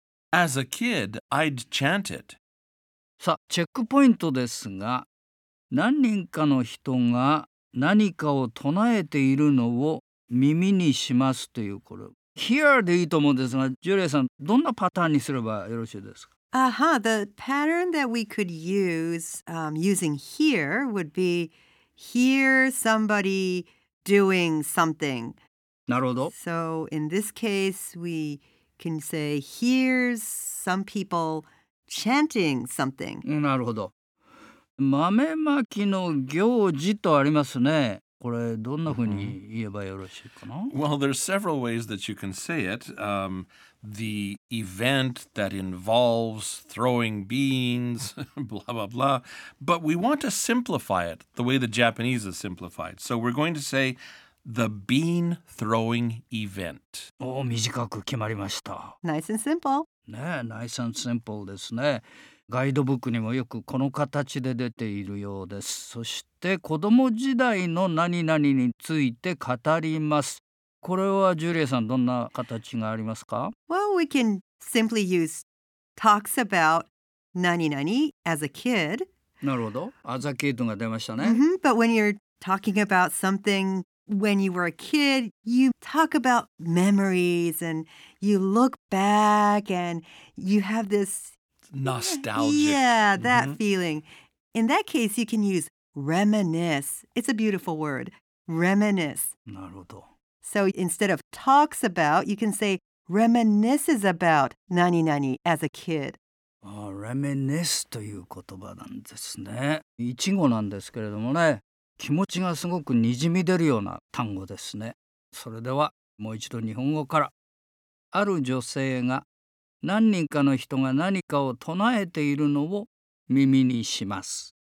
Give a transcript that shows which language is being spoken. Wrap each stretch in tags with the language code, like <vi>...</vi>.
<en>As a kid, I'd chant it.</en> <ja>さあ、チェックポイントですが、何人かの人が何かを唱えているのを耳にしますという、これ here でいいと思うんですが、ジュリアさん、どんなパターンにすればよろしいですか？</ja> <en>Uh-huh. The pattern that we could use using here would be hear somebody doing something.</en> <ja>なるほど。</ja> <en>So in this case, we can say hears some people chanting something.</en> <ja>なるほど。豆まきの行事とありますね。これどんなふうに言えばよろしいかな？</ja> <en>Well, there's several ways that you can say it. The event that involves throwing beans, blah, blah, blah. But we want to simplify it the way the Japanese is simplified. So we're going to say the bean throwing event.</en> <ja>Oh, 短く決まりました。</ja> <en>Nice and simple.</en> <ja>ねえ、</ja> <en>nice and simple</en> <ja>ですね。ガイドブックにもよくこの形で出ているようです。そして子供時代の何々について語ります。これはジュリアさん、どんな形がありますか？</ja> <en>Well, we can simply use talks about 何々 as a kid.</en> <ja>なるほど。</ja> <en>As a kid</en> <ja>が出ましたね。</ja> <en>Mm-hmm. But when you're talking about something when you were a kid, you talk about memories and you look back and you have this... Nostalgic. Yeah, that feeling. In that case, you can use reminisce. It's a beautiful word. Reminisce.</en> <ja>なるほど。</ja> <en>So instead of talks about, you can say reminisces about 何々 as a kid.</en> <ja>Ah, reminisce という言葉なんですね。一語なんですけれどもね、気持ちがすごくにじみ出るような単語ですね。それではもう一度日本語から。ある女性が何人かの人が何かを唱えているのを耳にします。</ja>